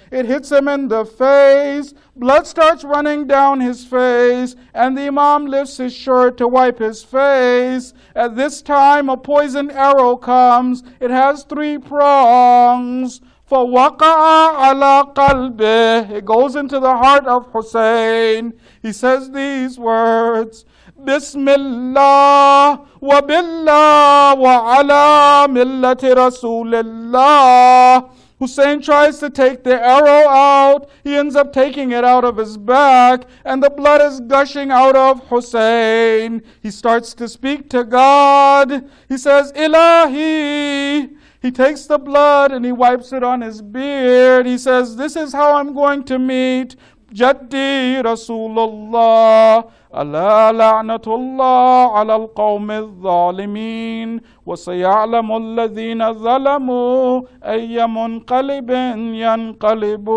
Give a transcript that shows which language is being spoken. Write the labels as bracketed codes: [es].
[en] It hits him in the face. Blood starts running down his face, and the Imam lifts his shirt to wipe his face. At this time, a poisoned arrow comes. It has three prongs. [ar] فَوَقَعَ عَلَىٰ قَلْبِهِ. [en] It goes into the heart of Hussein. He says these words, [ar] بسم الله وبالله وعلى ملة رسول الله. [en] Hussein tries to take the arrow out. He ends up taking it out of his back, and the blood is gushing out of Hussein. He starts to speak to God. He says, [ar] إلهي. [en] He takes the blood and he wipes it on his beard. He says, this is how I'm going to meet Jaddi Rasulullah. [ar] Allah la'natullah ala al-qawm al-zalimeen. وسيعلم الذين ظلموا أي منقلب ينقلبون.